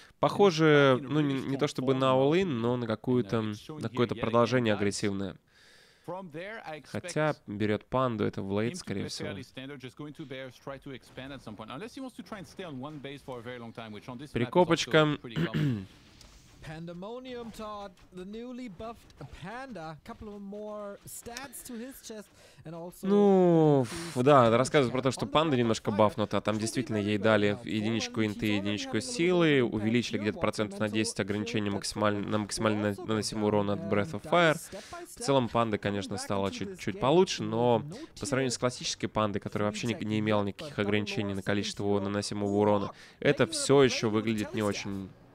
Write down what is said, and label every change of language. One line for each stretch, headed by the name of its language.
Russian: Похоже, ну не то чтобы на all-in, но на какое-то продолжение агрессивное. Хотя берет панду, это в лейт, скорее всего. Прикопочка.
English: Pandemonium, Todd, the newly buffed panda, a couple of more stats to his chest, and also.
Russian: Ну, да, рассказывает про то, что панда немножко бафнута, а там действительно ей дали единичку инты, единичку силы, увеличили где-то процентов на 10 ограничение на максимально наносимый урон от Breath of Fire. В целом панда, конечно, стала чуть-чуть получше, но по сравнению с классической пандой, которая вообще не имела никаких ограничений на количество наносимого урона, это все еще выглядит не очень.